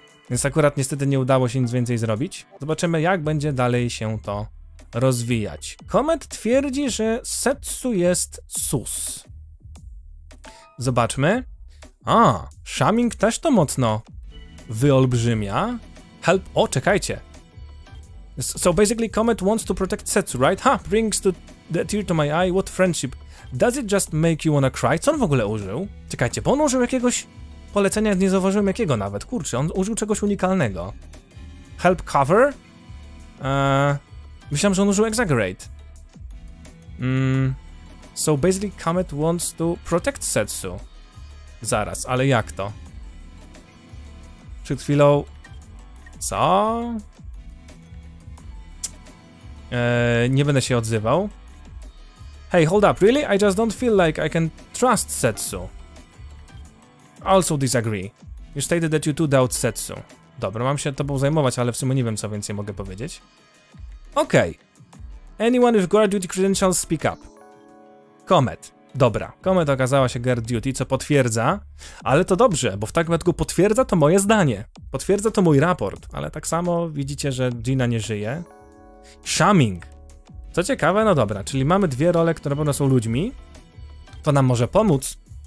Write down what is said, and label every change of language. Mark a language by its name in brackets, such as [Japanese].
[Polish] Więc akurat niestety nie udało się nic więcej zrobić. Zobaczymy, jak będzie dalej się to rozwijać. Komet twierdzi, że Setsu jest sus. Zobaczmy. A, Shaming też to mocno wyolbrzymia. Help, o, czekajcie. [English] So basically Comet wants to protect Setsu, right? Ha, brings the tear to my eye, what friendship. Does it just make you wanna cry? [Polish] Co on w ogóle użył? Czekajcie, bo on użył jakiegoś polecenia, nie zauważyłem jakiego nawet. Kurczę, on użył czegoś unikalnego. Help cover? Myślałem, że on użył exaggerate. [English] So basically Comet wants to protect Setsu. [Polish] Zaraz, ale jak to? Przed chwilą... Co? Nie będę się odzywał. [English] Hey, hold up, really? I just don't feel like I can trust Setsu. Also disagree. You stated that you too doubt Setsu. [Polish] Dobra, mam się tobą zajmować, ale w sumie nie wiem, co więcej mogę powiedzieć. Okej. Okay. [English] Anyone with guard duty credentials, speak up. Comet. [Polish] Dobra, Comet okazała się guard duty, co potwierdza, ale to dobrze, bo w takim wypadku potwierdza to moje zdanie. Potwierdza to mój raport, ale tak samo widzicie, że Gina nie żyje. Shaming. Co ciekawe, no dobra, czyli mamy dwie role, które pewno są ludźmi. To nam może pomóc.